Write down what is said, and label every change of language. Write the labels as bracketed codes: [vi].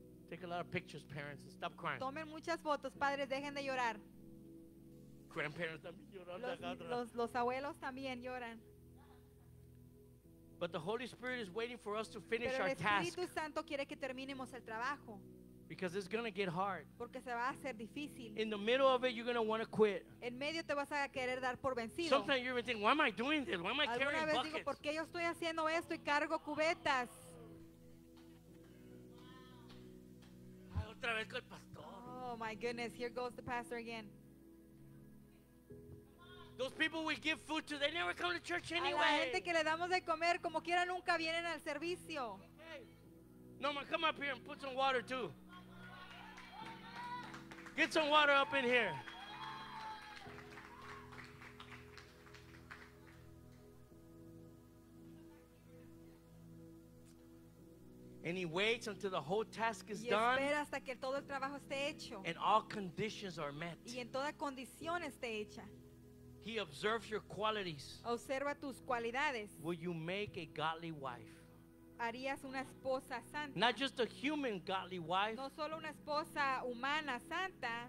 [en] Take a lot of pictures, parents, and stop crying. [es] Tomen muchas fotos, padres, dejen de llorar. Grandparents también lloran. Los abuelos también lloran. [en] But the Holy Spirit is waiting for us to finish our task. [es] Pero el Espíritu Santo quiere que terminemos el trabajo. [en] Because it's going to get hard. [es] Porque se va a hacer difícil. [en] In the middle of it, you're going to want to quit. [es] En medio te vas a querer dar por vencido. [en] Sometimes you're even thinking, why am I doing this? Why am I carrying buckets? [es] Alguna vez digo, ¿por qué yo estoy haciendo esto y cargo cubetas? Otra vez con el pastor. [en] Oh my goodness, here goes the pastor again. Those people we give food to, they never come to church anyway. [es] A la gente que le damos de comer, como quiera nunca vienen al servicio. [en] No, man, come up here and put some water too. Get some water up in here. And he waits until the whole task is done. [es] Y espera hasta que todo el trabajo esté hecho. [en] And all conditions are met. [es] Y en toda condición esté hecha. [en] He observes your qualities. [es] Observa tus cualidades. [en] Will you make a godly wife? [es] Harías una esposa santa. [en] Not just a human godly wife. [es] No solo una esposa humana santa.